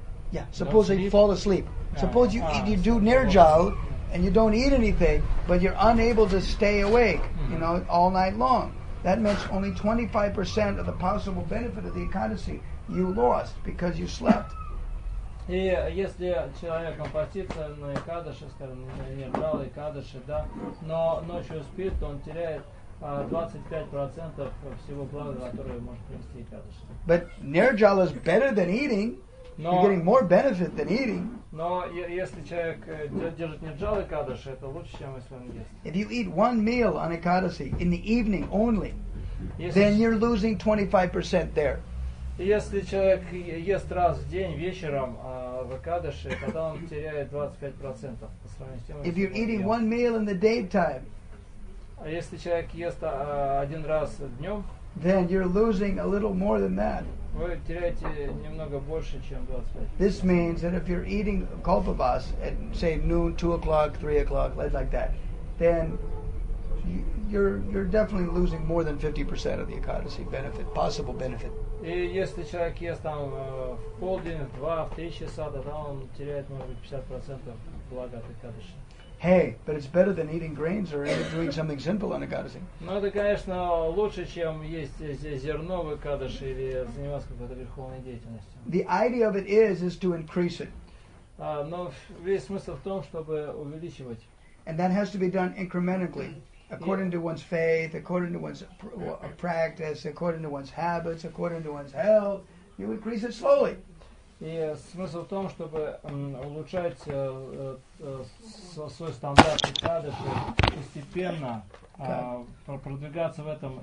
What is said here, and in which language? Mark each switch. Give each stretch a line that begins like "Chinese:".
English: Yeah, suppose you fall asleep. Suppose you do nirjal and you don't eat anything, but you're unable to stay awake, mm-hmm. you know, all night long. That means only 25% of the possible benefit of the Ekadasi you lost because you slept.
Russian: И если человек постится на Экадаши, скажем, нирджал Экадаши, да, но ночью спит, то он теряет 25% всего блага, которое может принести Экадаши.
English: But nirjal is better than eating. You're getting more benefit than eating.
Russian: Но если человек держит нирджал Экадаши, это лучше, чем если он ест.
English: If you eat one meal on Ekadasi in the evening only, then you're losing 25% there.
Russian: Если человек ест раз в день вечером в Экадаши, тогда он теряет 25% по сравнению с тем,
English: if you're eating one meal in the daytime,
Russian: если человек ест один раз днем,
English: then you're losing a little more than that.
Russian: Вы теряете немного больше, чем 25%.
English: This means that if you're eating kalpavas at, say, noon, 2 o'clock, 3 o'clock, like that, then you're definitely losing more than 50% of the Ekadasi benefit, possible benefit.
Russian: И если человек ест там в полдень, в 2, в 3 часа, то там он теряет, может быть, 50% блага от Ekadasi.
English: Hey, but it's better than eating grains or doing something simple on Ekadasi.
Russian: Ну, это, конечно, лучше, чем есть зерно в Экадаши или заниматься какой-то верховной деятельностью.
English: The idea of it is to increase it.
Russian: Но весь смысл в том, чтобы увеличивать.
English: And that has to be done incrementally, according to one's faith, according to one's practice, according to one's habits, according to one's health. You increase it slowly.
Russian: И смысл в том, чтобы улучшать свой стандарт Экадаши постепенно, продвигаться в этом.